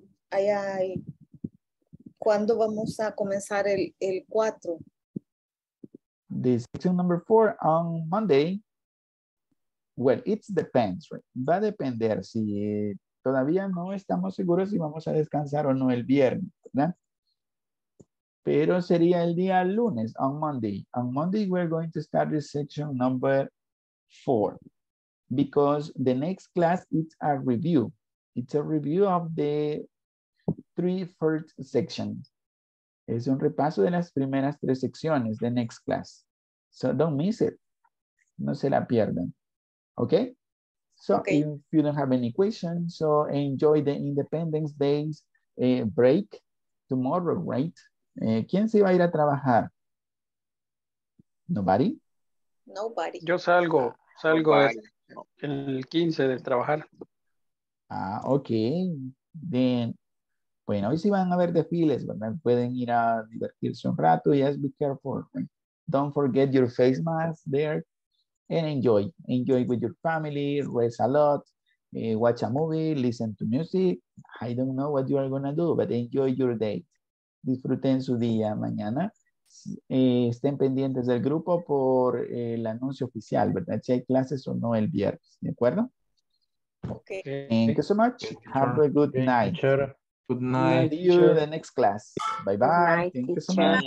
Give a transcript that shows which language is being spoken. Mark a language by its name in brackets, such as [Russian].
[Spanish] Ay, ay. ¿Cuándo vamos a comenzar el 4? [English] The section number 4 on Monday. Well, it depends, right? [Spanish] Va a depender si... Todavía no estamos seguros si vamos a descansar o no el viernes, ¿verdad? Pero sería el día lunes, [English] on Monday. On Monday, we're going to start the section number 4. Because the next class, it's a review. It's a review of the 3 first sections. [Spanish] Es un repaso de las primeras 3 secciones, [English] the next class. So don't miss it. [Spanish] No se la pierdan. [English] Okay? So okay. If you don't have any questions, so enjoy the Independence Day's break tomorrow, right? [Spanish] ¿Quién se va a ir a trabajar? [English] Nobody? Nobody. [Spanish] Yo salgo. Salgo el 15 de trabajar. [English] Ah, okay. Then, [Spanish] bueno, hoy sí van a haber desfiles, ¿verdad? Pueden ir a divertirse un rato. [English] Yes, be careful. Right? Don't forget your face mask there. And enjoy. Enjoy with your family, rest a lot, watch a movie, listen to music. I don't know what you are going to do, but enjoy your day. [Spanish] Disfruten su día mañana. Estén pendientes del grupo por el anuncio oficial, ¿verdad? Si hay clases o no el viernes, ¿de acuerdo? [English] Okay. Thank you so much. Have a good night. Good night. See you in the next class. Bye bye. Thank you so much.